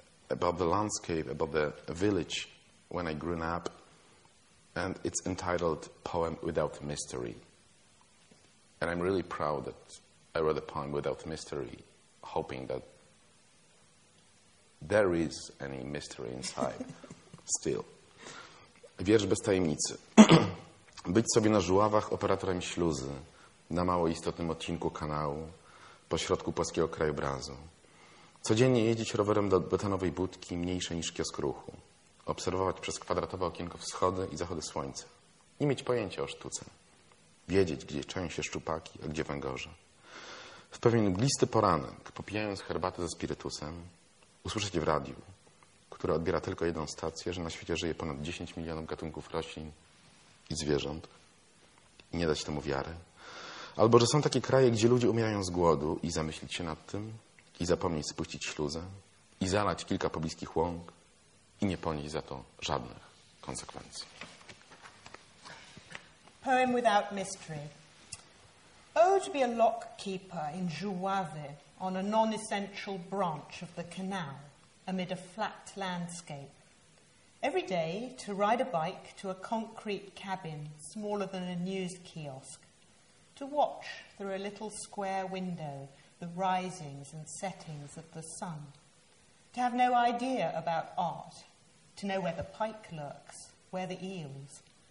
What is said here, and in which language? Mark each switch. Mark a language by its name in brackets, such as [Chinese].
[English] about the landscape, about the village when I grew up, and it's entitled Poem Without Mystery. And I'm really proud that I wrote a poem without mystery, hoping that there is any mystery inside still. [Polish] Wiersz bez tajemnicy. Być sobie na żuławach operatorem śluzy na mało istotnym odcinku kanału pośrodku płaskiego krajobrazu. Codziennie jeździć rowerem do betonowej budki mniejszej niż kiosk ruchu. Obserwować przez kwadratowe okienko wschody i zachody słońca. Nie mieć pojęcia o sztuce. Wiedzieć, gdzie czają się szczupaki, a gdzie węgorze. W pewien mglisty poranek, popijając herbatę ze spirytusem, usłyszeć w radiu, które odbiera tylko jedną stację, że na świecie żyje ponad 10 milionów gatunków roślin i zwierząt i nie dać temu wiary. Albo, że są takie kraje, gdzie ludzie umierają z głodu i zamyślić się nad tym i zapomnieć spuścić śluzę i zalać kilka pobliskich łąk i nie ponieść za to żadnych konsekwencji. [English] Poem without mystery. Oh, to be a lock keeper in Jouave on a non-essential branch of the canal. Amid a flat landscape. Every day, to ride a bike to a concrete cabin smaller than a news kiosk, to watch through a little square window the risings and settings of the sun, to have no idea about art, to know where the pike lurks, where the eels.